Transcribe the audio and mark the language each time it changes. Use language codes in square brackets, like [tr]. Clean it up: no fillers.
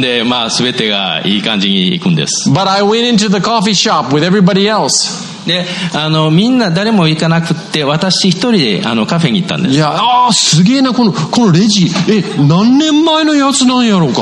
[ja] で、全てがいい感じにいくんです。 [en] But I went into the coffee shop with everybody else. [ja] で、みんな誰も行かなくて、私一人でカフェに行ったんです。いや、すげえな、このレジ。何年前のやつなんやろうか。